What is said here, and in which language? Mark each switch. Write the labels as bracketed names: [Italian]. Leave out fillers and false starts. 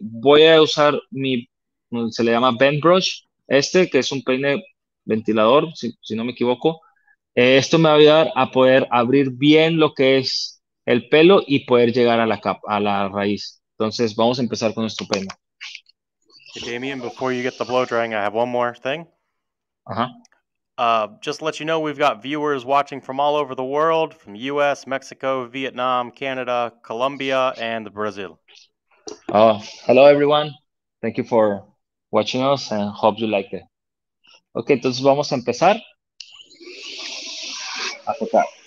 [Spanish] Voy a usar se le llama bend brush, que es un peine ventilador, si no me equivoco. Esto me va a ayudar a poder abrir bien lo que es el pelo y poder llegar a la raíz. Entonces, vamos a empezar con nuestro peine. [English] Hey, Damien, before you get the blow drying, I have one more thing. Just to let you know, we've got viewers watching from all over the world, from US, Mexico, Vietnam, Canada, Colombia, and Brazil. Hello everyone. Thank you for watching us and hope you like it. [Spanish] Okay, entonces vamos a empezar a cortar.